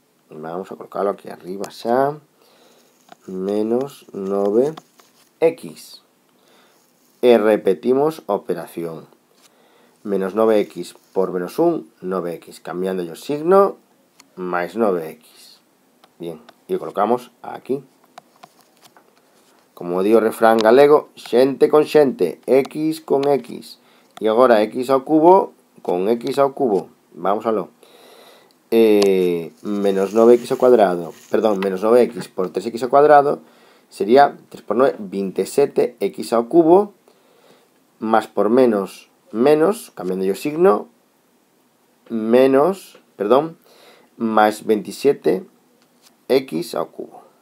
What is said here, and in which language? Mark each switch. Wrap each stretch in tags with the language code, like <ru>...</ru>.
<es>Vamos a colocarlo aquí arriba ya. Menos 9x. Y repetimos operación. Menos 9x por menos 1, 9x. Cambiando yo signo, más 9x. Bien, y lo colocamos aquí.</es> <gl>Como digo, refrán galego, xente con xente, x con x.</gl> <es>Y ahora x al cubo con x al cubo. Vamos a lo. Menos 9x al cuadrado, perdón, menos 9x por 3x al cuadrado sería 3 por 9, 27x al cubo. Más por menos, menos, cambiando yo signo. Menos, perdón, más 27x al cubo.</es>